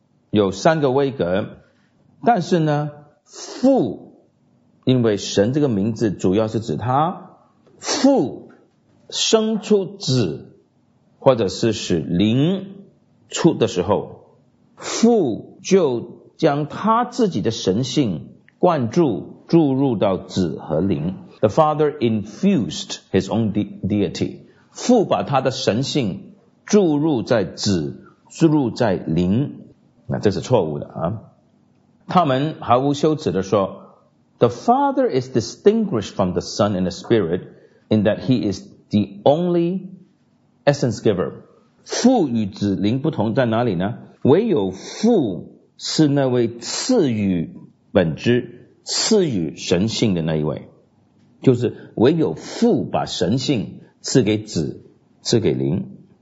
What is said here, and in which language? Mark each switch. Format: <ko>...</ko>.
<zh>有三个位格，但是呢，父，因为神这个名字主要是指他，父生出子，或者是使灵出的时候，父就将他自己的神性灌注注入到子和灵。</zh> <en>The father infused his own deity.</en> <zh>父把他的神性注入在子，注入在灵。那这是错误的啊。他们毫无羞耻地说</zh> <en>,The father is distinguished from the son in the spirit in that he is the only essence giver.</en> <zh>父与子灵不同在哪里呢？唯有父是那位赐予本质，赐予神性的那一位，就是唯有父把神性赐给子，赐给灵。</zh>